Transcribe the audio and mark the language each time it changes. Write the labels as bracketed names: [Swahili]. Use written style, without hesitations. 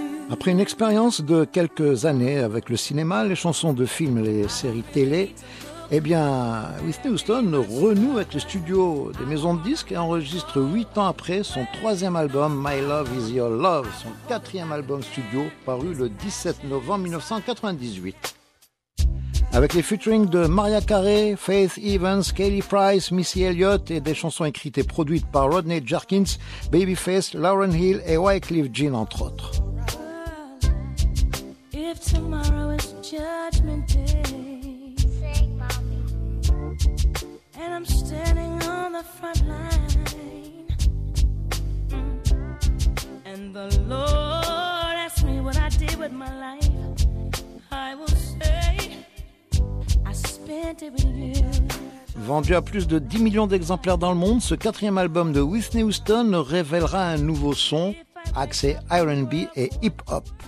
[French] Après une expérience de quelques années avec le cinéma, les chansons de films, les séries télé, eh bien, Whitney Houston renoue avec le studio des maisons de disques et enregistre 8 ans après son 3e album « My Love Is Your Love », son 4e album studio paru le 17 novembre 1998. Avec les featurings de Mariah Carey, Faith Evans, Kelly Price, Missy Elliott et des chansons écrites et produites par Rodney Jerkins, Babyface, Lauryn Hill et Wyclef Jean entre autres. [English] If tomorrow is judgment day, and I'm standing on the front line, and the Lord asks me what I did with my life, I will say I spent it with you. [French] Vendu à plus de 10 millions d'exemplaires dans le monde, ce 4e album de Whitney Houston révélera un nouveau son axé R&B et hip-hop.